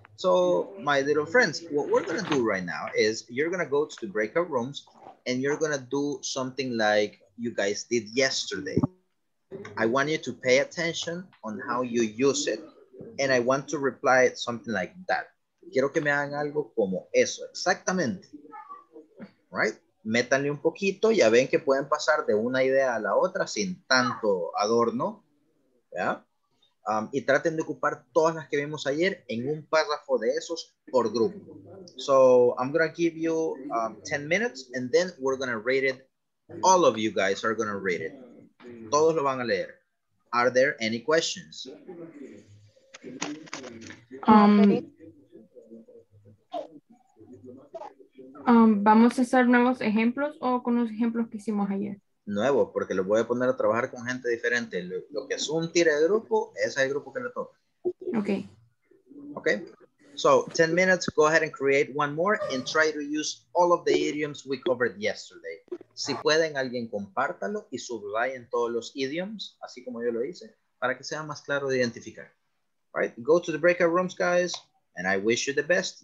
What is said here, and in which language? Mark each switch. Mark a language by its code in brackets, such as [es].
[en] So my little friends, what we're gonna do right now is you're gonna go to the breakout rooms and you're gonna do something like you guys did yesterday. I want you to pay attention on how you use it, and I want to reply it something like that. [es] Quiero que me hagan algo como eso, exactamente. [en] Right? [es] Métanle un poquito, ya ven que pueden pasar de una idea a la otra sin tanto adorno, ¿ya? Y traten de ocupar todas las que vimos ayer en un párrafo de esos por grupo. [en] So, I'm going to give you 10 minutes and then we're going to read it. All of you guys are going to read it. [es] Todos lo van a leer. [en] Are there any questions? [es] ¿Vamos a hacer nuevos ejemplos o con los ejemplos que hicimos ayer? Nuevos, porque los voy a poner a trabajar con gente diferente. Lo que es un tire de grupo, ese es el grupo que le toca. [en] Okay. So, 10 minutes, go ahead and create one more and try to use all of the idioms we covered yesterday. [es] Si pueden, alguien compártalo y subrayen todos los idioms, así como yo lo hice, para que sea más claro de identificar. [en] All right, go to the breakout rooms, guys, and I wish you the best.